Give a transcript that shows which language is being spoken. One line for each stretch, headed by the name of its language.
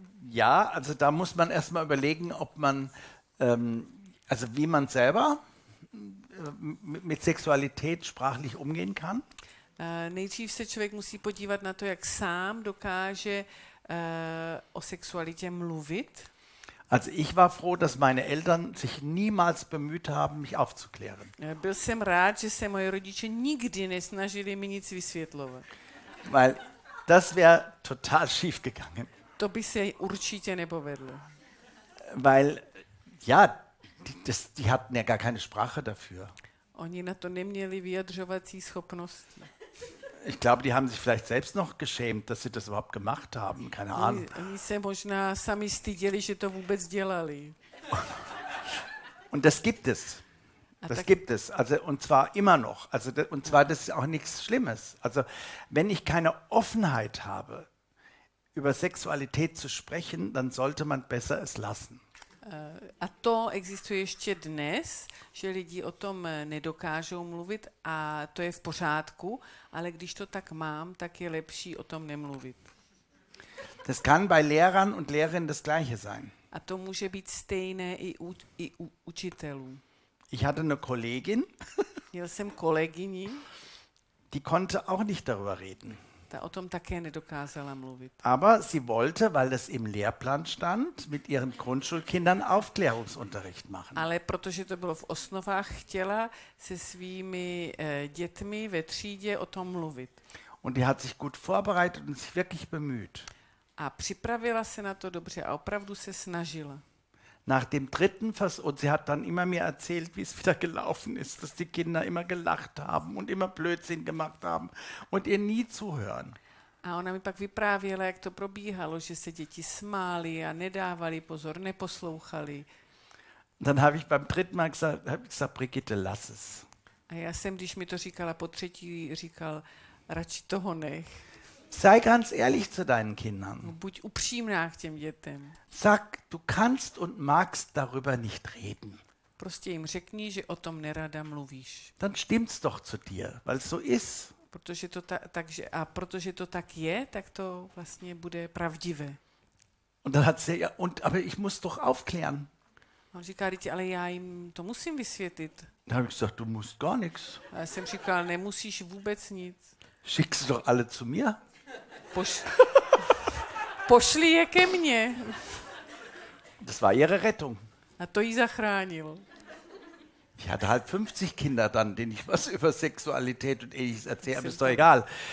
German: ja, also da muss man erstmal überlegen, ob man also wie man selber mit Sexualität sprachlich umgehen kann.
Czech: Nejdřív se člověk musí podívat na to, jak sám dokáže o sexualitě mluvit.
German: Also ich war froh, dass meine Eltern sich niemals bemüht haben, mich aufzuklären.
Czech: Byl jsem rád, že se moje rodiče nikdy nesnažili mi nic vysvětlovat.
German: Weil das wäre total schief gegangen.
Czech: To by se určitě nepovedlo.
German: Weil ja, die hatten ja gar keine Sprache dafür.
Czech: Oni na to neměli vyjadřovací schopnosti.
German: Ich glaube, die haben sich vielleicht selbst noch geschämt, dass sie das überhaupt gemacht haben. Keine Ahnung.
Czech: Oni se možná sami styděli, že to vůbec dělali.
German: Und das gibt es. Das gibt es. Also, und zwar immer noch. Also, und zwar, das ist auch nichts Schlimmes. Also, wenn ich keine Offenheit habe, über Sexualität zu sprechen, dann sollte man besser es lassen.
Czech: A to existuje ještě dnes, že lidi o tom nedokážou mluvit a to je v pořádku, ale když to tak mám, tak je lepší o tom nemluvit.
German: Das kann bei Lehrern und Lehrerinnen das gleiche sein.
Czech: A to může být stejné i u učitelů.
German: Ich hatte eine Kollegin.
Czech: Měl jsem kolegyni.
German: Die konnte auch nicht darüber reden.
Czech: Ta o tom také nedokázala mluvit.
German: Aber sie wollte, weil das im Lehrplan stand, mit ihren Grundschulkindern Aufklärungsunterricht machen.
Czech: Ale protože to bylo v osnovách, chtěla se svými dětmi ve třídě o tom mluvit.
German: Und die hat sich gut vorbereitet und sich wirklich bemüht.
Czech: A připravila se na to dobře a opravdu se snažila.
German: Nach dem dritten Versuch, und sie hat dann immer mir erzählt, wie es wieder gelaufen ist, dass die Kinder immer gelacht haben und immer Blödsinn gemacht haben und ihr nie zuhören.
Czech: A ona mi pak vyprávěla, jak to probíhalo, že se děti smály a nedávali pozor, neposlouchali.
German: Dann habe ich beim dritten Mal gesagt, Brigitte, lass es.
Czech: A já jsem, když mi to říkala po třetí, říkal, radši toho nech.
German: Sei ganz ehrlich zu deinen Kindern.
Czech: Buď upřímná k těm dětem.
German: Sag, du kannst und magst darüber nicht reden.
Czech: Prostě jim řekni, že o tom nerada mluvíš.
German: Dann stimmt's doch zu dir, weil es so ist.
Czech: Protože to ta, takže, a protože to tak je, tak to vlastně bude pravdivé.
German: Und dann hat sie ja, und, aber ich muss doch aufklären.
Czech: On říká, Ritě, ale já jim to musím vysvětlit.
German: Dann habe ich gesagt, du musst gar nichts.
Czech: A já jsem říkal, nemusíš vůbec nic.
German: Schick sie doch alle zu mir.
Czech: Pošli je ke mně.
German: Das war ihre Rettung.
Czech: A to jí zachránil.
German: Ich hatte halt 50 Kinder dann, denen ich was über Sexualität und Ähnliches erzähle, aber ist doch egal.